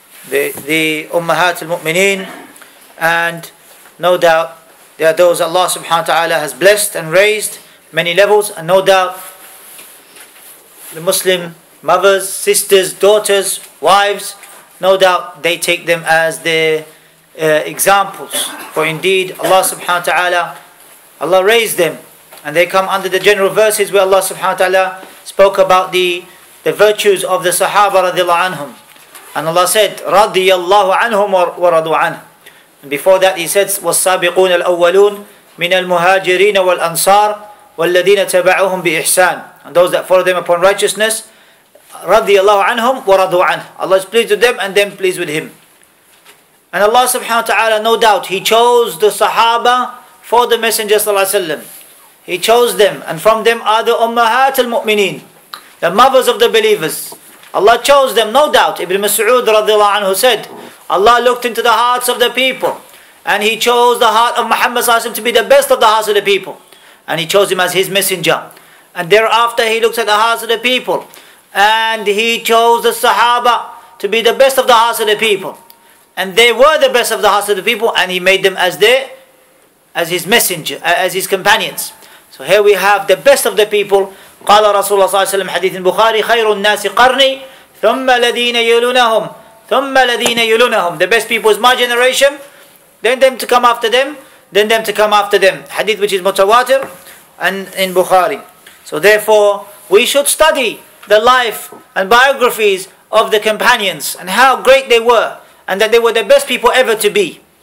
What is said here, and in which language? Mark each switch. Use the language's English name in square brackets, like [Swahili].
[English] the ummahat al-mu'mineen, and no doubt they are those Allah subhanahu wa ta'ala has blessed and raised many levels, and no doubt the Muslim mothers, sisters, daughters, wives, no doubt they take them as their examples. For indeed, Allah subhanahu wa ta'ala, Allah raised them. And they come under the general verses where Allah subhanahu wa ta'ala spoke about the virtues of the Sahaba radiallahu anhum. And Allah said, [Arabic] radiyallahu anhum wa radu anhum. [English] And before that he said, [Arabic] وَالسَّابِقُونَ الْأَوَّلُونَ مِنَ الْمُهَاجِرِينَ وَالْأَنصَارِ وَالَّذِينَ تَبَعُوهُمْ بِإِحْسَانِ. [English] And those that follow them upon righteousness, [Arabic] radiyallahu anhum wa radu anhum. [English] Allah is pleased with them and them pleased with him. And Allah subhanahu wa ta'ala, no doubt, he chose the Sahaba for the Messenger sallallahu alayhi wa sallam. He chose them, and from them are the ummahat al-mu'mineen, the mothers of the believers. Allah chose them, no doubt. Ibn Mas'ud radiallahu anhu said, Allah looked into the hearts of the people, and he chose the heart of Muhammad sallallahu alayhi wa sallam to be the best of the hearts of the people. And he chose him as his messenger. And thereafter he looked at the hearts of the people, and he chose the Sahaba to be the best of the hearts of the people. And they were the best of the hearts of the people, and he made them as his messenger, as his companions. So here we have the best of the people. [Arabic] قال رسول الله صلى الله عليه وسلم حديث البخاري خير الناس قرني ثم الذين يلونهم ثم الذين يلونهم. [English] The best people is my generation, then them to come after them, then them to come after them. Hadith which is mutawatir and in Bukhari. So therefore, we should study the life and biographies of the companions and how great they were, and that they were the best people ever to be.